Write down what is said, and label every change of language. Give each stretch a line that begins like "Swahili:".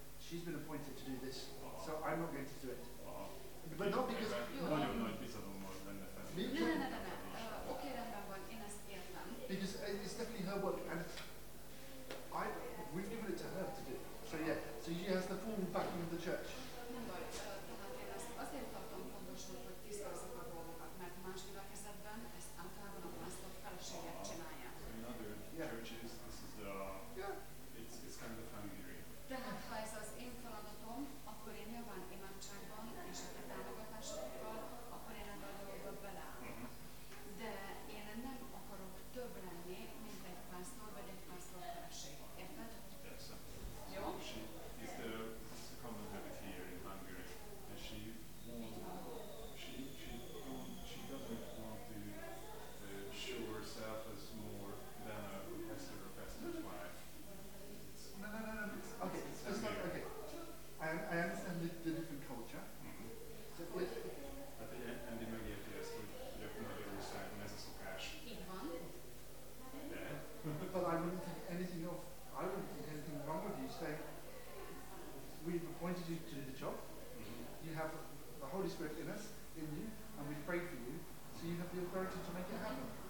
English: She's been appointed to do this, so I'm not going to do it. But not because. No. Okay,
Hungarian: rendben van. Én ezt értem.
English: Because it's definitely her work, and we've given it to her to do. So yeah, so she has the full backing of the church.
Hungarian: Nem baj, tehát én ezt azért tartom fontosnak, hogy tisztázzuk a dolgokat, mert más gyülekezetben ezt általában a pásztor feleségek csinálják.
English: It's kind of familiar.
Hungarian: Tehát ha ez az én feladatom, akkor én nyilván imádságban és a te támogatásokkal, akkor én ebben a dolgokat beleáll. De én nem akarok több lenni, mint egy pásztor vagy egy pásztor feleség. Érted? Persze. Jó?
English: It's a common habit here in Hungary, and she doesn't want to show herself as more than a pastor or pastor's wife. No. Okay. I understand the different culture. Mm-hmm.
Hungarian: So, hát Andy megérti ezt, hogy Magyarországon ez a szokás. Így van.
English: But I wouldn't think anything of. I wouldn't think anything wrong with you saying. We've appointed you to do the job. Mm-hmm. You have the Holy Spirit in us, in you, and we've prayed for you, so you have the authority to make it happen.